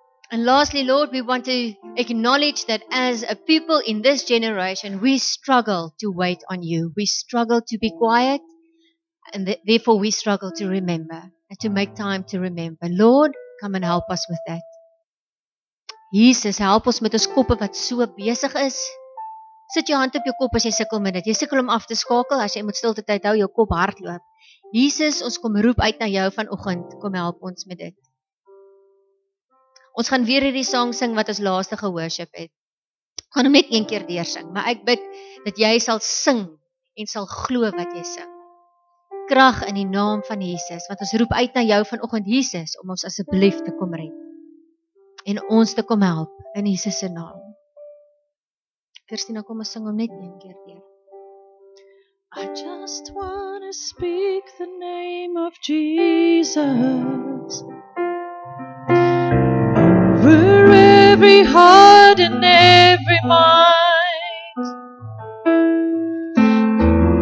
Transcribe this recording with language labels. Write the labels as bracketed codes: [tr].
[en] And lastly, Lord, we want to acknowledge that as a people in this generation, we struggle to wait on you. We struggle to be quiet, and therefore we struggle to remember, and to make time to remember. Lord, come and help us with that. [af] Jesus, help ons met ons koppe wat so besig is. Sit jou hand op jou kop as jy sukkel met dit. Jy sukkel om af te skakel, as jy moet stilte tyd hou, jou kop hardloop. Jesus, ons kom roep uit na jou vanoggend, kom help ons met dit. Ons gaan weer hierdie song sing wat ons laaste gehoorship het. Gaan hom net een keer deur sing, maar ek bid dat jy sal sing en sal glo wat jy sing. Krag in die naam van Jesus, want ons roep uit na jou vanoggend Jesus, om ons asseblief te kom red. En ons te kom help in Jesus se naam. Christina, kom ons sing hom net een keer deur. [en] I just want to speak the name of Jesus. Over every heart and every mind.